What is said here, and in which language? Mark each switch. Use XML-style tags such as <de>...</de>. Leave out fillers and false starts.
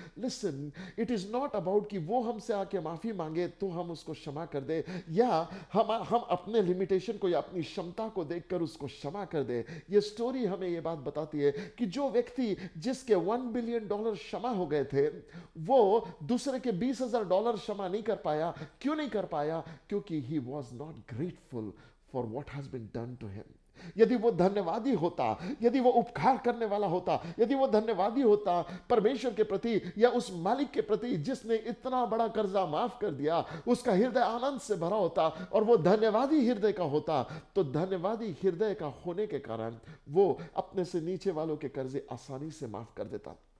<en>listen, it is not about</en> <hi>कि वो हमसे आके माफी मांगे तो हम उसको क्षमा कर दे, या हम अपने लिमिटेशन को या अपनी क्षमता को देखकर उसको क्षमा कर दे। ये स्टोरी हमें ये बात बताती है कि जो व्यक्ति जिसके $1 बिलियन क्षमा हो गए थे वो दूसरे के $20,000 क्षमा नहीं कर पाया। क्यों नहीं कर पाया? क्योंकि</hi> <en>he was not grateful for what has been done to him.</en> <hi>यदि वो धन्यवादी होता, यदि वो उपकार करने वाला होता, यदि वो धन्यवादी होता परमेश्वर के प्रति या उस मालिक के प्रति जिसने इतना बड़ा कर्जा माफ कर दिया, उसका हृदय आनंद से भरा होता और वो धन्यवादी हृदय का होता, तो धन्यवादी हृदय का होने के कारण वो अपने से नीचे वालों के कर्जे आसानी से माफ कर देता।</hi>